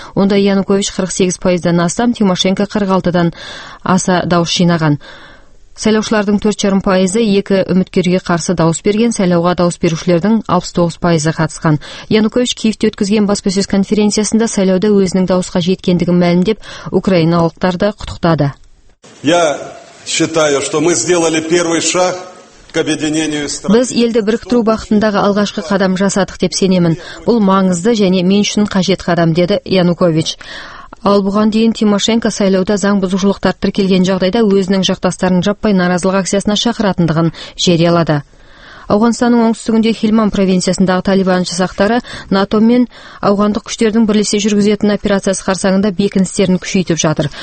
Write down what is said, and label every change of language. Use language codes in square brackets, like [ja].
[kk] Онда Янукович 48%-дан астам, Тимошенко 46%-дан аса дауыс жинаған. Сайлаушылардың 4.5%-ы екі үміткерге қарсы дауыс берген, сайлауға дауыс берушілердің 69%-ы қатысқан. Янукович Киевте өткізген баспасөз конференциясында сайлауда өзінің дауысқа жеткендігін мәлімдеп, украиналықтарды құттықтады. [ru] Считаю, что мы сделали первый шаг к объединению страны. [kk] Біз елді біріктіру бағытындағы алғашқы қадам жасадық деп сенемін. Бұл маңызды және мен үшін қажет қадам, деді Янукович. Ал бұған дейін Тимошенко сайлауда заң бұзушылықтар тіркелген жағдайда өзінің жақтастарын жаппай наразылық акциясына шақыратындығын жариялады. Ауғанстанның оңтүстігінде Хилман провинциясындағы талибан жасақтары НАТО мен ауғандық күштердің бірлесе жүргізетін операциясы қарсаңында бекіністерін күшейтіп жатыр.